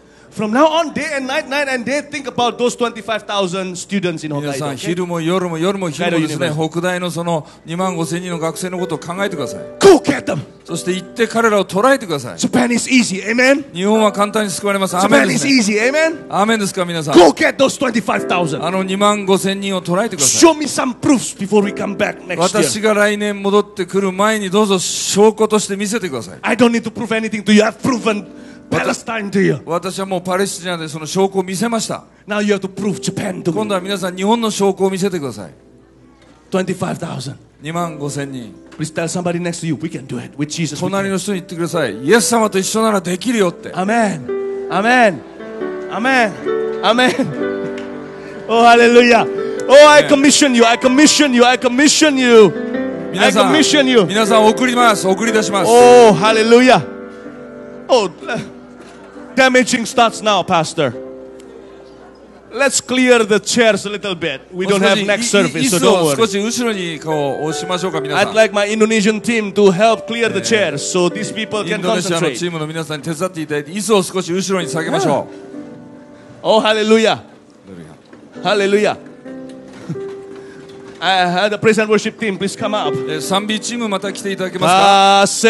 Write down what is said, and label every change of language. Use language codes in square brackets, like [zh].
[en] From now on, day and night, night and day, think about those 25,000 students in Hokkaido. [ja] 皆さん、昼も夜も夜も昼もですね、北大のその2万5000人の学生のことを考えてください。 [en] Go get them! [ja] そして行って彼らを捕らえてください。 [en] Japan is easy, amen? [ja] 日本は簡単に救われます。 [en] Japan is easy, amen? [ja] アーメンですか、皆さん。 [en] Go get those 25,000! [ja] あの2万5000人を捕らえてください。 [en] Show me some proofs before we come back next year. [ja] 私が来年戻ってくる前にどうぞ証拠として見せてください。 [en] I don't need to prove anything to you. I've proven... Palestine to you. [ja] 私はもうパレスチナでその証拠を見せました。 [en] Now you have to prove Japan to me. [ja] 今度は皆さん日本の証拠を見せてください。 [en] 25,000. [ja] 2万5千人。 [en] Please tell somebody next to you, we can do it with Jesus. [ja] 隣の人に言ってください。イエス様と一緒ならできるよって。 [en] Amen. Amen. Amen. Amen. Oh, hallelujah. Oh, I commission you. I commission you. I commission you. I commission you. [ja] 皆さん送ります。送り出します。 [en] Oh, hallelujah. Oh, damaging starts now, Pastor. Let's clear the chairs a little bit. We don't have next service, so don't worry. I'd like my Indonesian team to help clear the chairs so these people can concentrate. [ja] インドネシアのチームの皆さんに手伝っていただいて椅子を少し後ろに下げましょう。 [en] Oh, hallelujah. Hallelujah. The praise and worship team, please come up. [ja] 賛美チームまた来ていただけますか。